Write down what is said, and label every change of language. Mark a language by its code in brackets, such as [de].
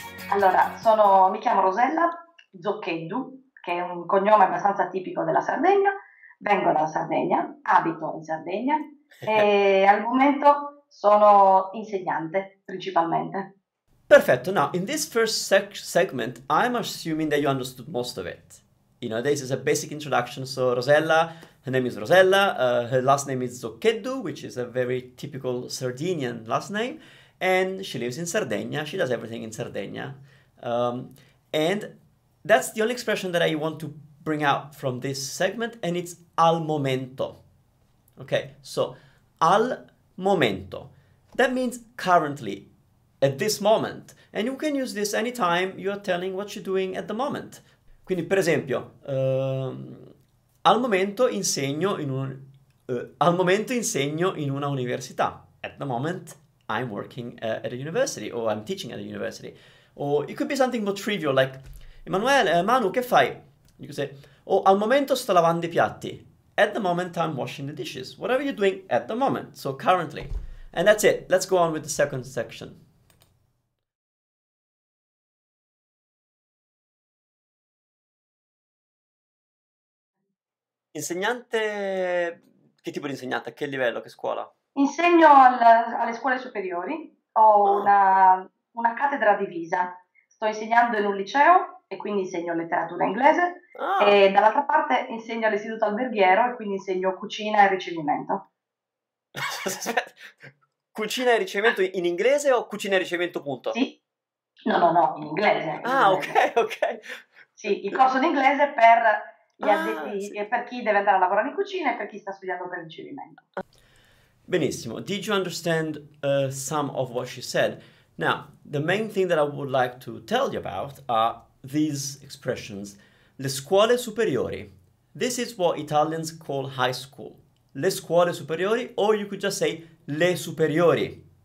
[it] Allora, mi chiamo Rosella Zoccheddu, che è un cognome abbastanza tipico della Sardegna. Vengo dalla Sardegna, abito in Sardegna e al momento sono insegnante principalmente. Perfetto. [en] Now, in this first segment, I'm assuming that you understood most of it. You know, this is a basic introduction. So, Rosella, her name is Rosella. Her last name is Zoccheddu, which is a very typical Sardinian last name. And she lives in Sardegna. She does everything in Sardegna. And that's the only expression that I want to bring out from this segment. And it's [it] al momento. [en] Okay, so al momento. That means currently, at this moment. And you can use this anytime you're telling what you're doing at the moment. [it] Quindi, per esempio, al momento insegno in una università. [en] At the moment, I'm working at a university, or I'm teaching at a university. Or it could be something more trivial, like, Emanuele, Manu, [it] che fai? [en] You could say, oh, [it] al momento sto lavando I piatti. [en] At the moment, I'm washing the dishes. Whatever you're doing at the moment, so currently. And that's it. Let's go on with the second section. [it] Insegnante, che tipo di insegnante? A che livello? Che scuola? Insegno alle scuole superiori, ho una cattedra divisa. Sto insegnando in un liceo e quindi insegno letteratura inglese e dall'altra parte insegno all'istituto alberghiero e quindi insegno cucina e ricevimento. Aspetta. Cucina e ricevimento in inglese o cucina e ricevimento punto? Sì, no, in inglese. Ok. Sì, il corso d'inglese per... Gli addetti. E per chi deve andare a lavorare in cucina e per chi sta studiando per il ricevimento. Benissimo. [en] Did you understand some of what she said? Now, the main thing that I would like to tell you about are these expressions. [it] Le scuole superiori. [en] This is what Italians call high school. [it] Le scuole superiori, [en] or you could just say [it] le superiori.